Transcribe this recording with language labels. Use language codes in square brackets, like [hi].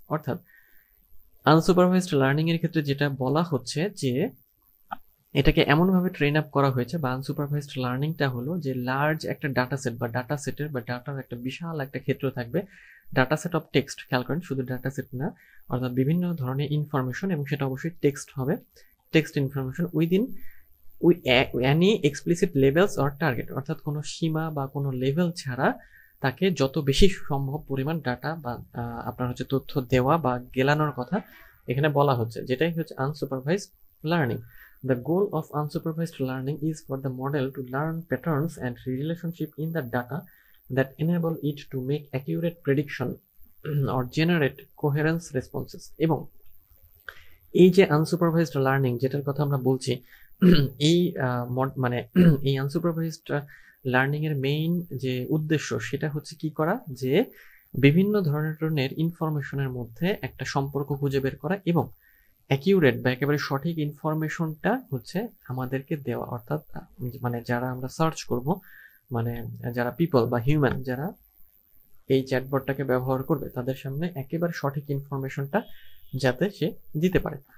[bn] অর্থাৎ unsupervised learning এর ক্ষেত্রে যেটা বলা হচ্ছে যে এটাকে এমনভাবে ট্রেন আপ করা হয়েছে বা আনসুপারভাইজড লার্নিংটা হলো যে লার্জ একটা ডাটা সেট বা ডাটা সেটের বা ডাটার একটা বিশাল একটা ক্ষেত্র থাকবে, ডাটা সেট অফ টেক্সট, খেয়াল করেন শুধু ডাটা সেট না, অর্থাৎ বিভিন্ন ধরনের ইনফরমেশন, এবং সেটা অবশ্যই টেক্সট হবে, text information within [en] any explicit levels or target, [bn] অর্থাৎ কোনো সীমা বা কোনো লেভেল ছাড়া তাকে যত বেশি সম্ভব পরিমাণ ডাটা বা আপনার হচ্ছে তথ্য দেওয়া বা গেলানোর কথা এখানে বলা হচ্ছে, যেটাই হচ্ছে unsupervised learning. [en] The goal of unsupervised learning is for the model to learn patterns and relationship in the data that enable it to make accurate prediction or generate coherence responses. [bn] এবং এই যে আনসুপারভাইজড লার্নিং যেটার কথা আমরা বলছি, এই মানে এই আনসুপারভাইজড লার্নিং এর মেইন যে উদ্দেশ্য সেটা হচ্ছে কি করা, যে বিভিন্ন ধরনের ইনফরমেশনের মধ্যে একটা সম্পর্ক খুঁজে বের করা এবং অ্যাকিউরেট বা একেবারে সঠিক ইনফরমেশনটা হচ্ছে আমাদেরকে দেওয়া, অর্থাৎ মানে যারা আমরা সার্চ করব, মানে যারা পিপল বা হিউম্যান যারা এই চ্যাটবটটাকে ব্যবহার করবে তাদের সামনে একেবারে সঠিক ইনফরমেশনটা যাতে সে দিতে পারে।